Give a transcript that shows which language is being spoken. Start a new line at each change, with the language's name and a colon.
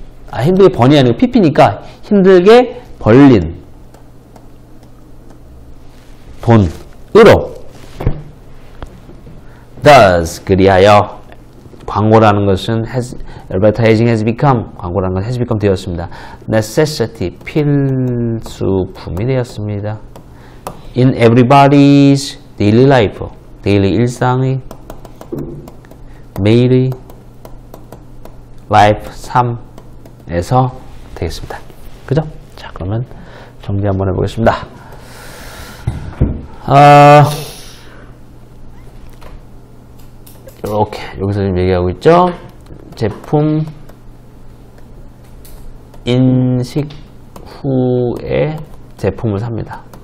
Korean: 아, 힘들게 번이 아니고 pp니까 힘들게 벌린 돈으로. thus, 그리하여 광고라는 것은
English: advertising has become
Korean: 광고라는 것은 has become 되었습니다. necessity 필수품이 되었습니다.
English: in everybody's daily life daily
Korean: 일상의 매일의
English: life
Korean: 삶에서 되겠습니다. 그죠? 자 그러면 정리 한번 해보겠습니다. 이렇게 여기서 지금 얘기하고 있죠. 제품 인식 후에 제품을 삽니다.